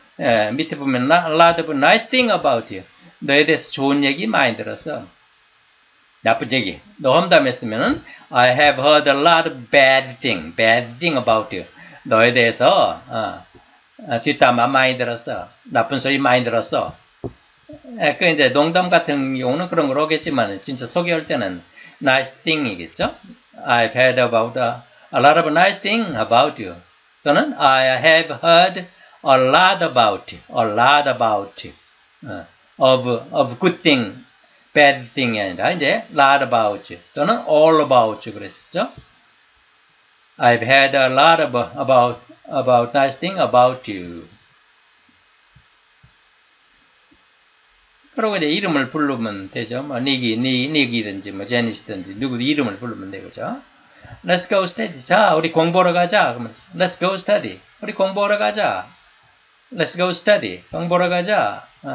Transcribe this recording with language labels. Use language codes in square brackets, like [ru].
[ko] 예, 밑에 보면 [en] lot of nice thing about you. [ko] 너에 대해서 좋은 얘기 많이 들었어. 나쁜 얘기. 너 험담했으면은 [en] I have heard a lot of bad thing about you. [ko] 너에 대해서 뒷담화 많이 들었어. 나쁜 소리 많이 들었어. 예, 그 이제 농담 같은 경우는 그런 걸 하겠지만 진짜 소개할 때는 nice thing이겠죠. [en] I've heard about a lot of nice thing about you. [ko] 또는 [en] I have heard a lot about you. Of good thing, bad thing [ko] 아니라 이제 [en] lot about you. [ko] 또는 [en] all about you [ko] 그랬죠. [en] I've heard a lot of about nice thing about you. [ko] 그러고 이제 이름을 부르면 되죠. 뭐 닉이든지 뭐 제니스든지 누구도 이름을 부르면 되겠죠. [en] Let's go study. [ko] 자, 우리 공부하러 가자. [en] Let's go study. [ko] 우리 공부하러 가자. [en] Let's go study. [ko] 공부하러 가자.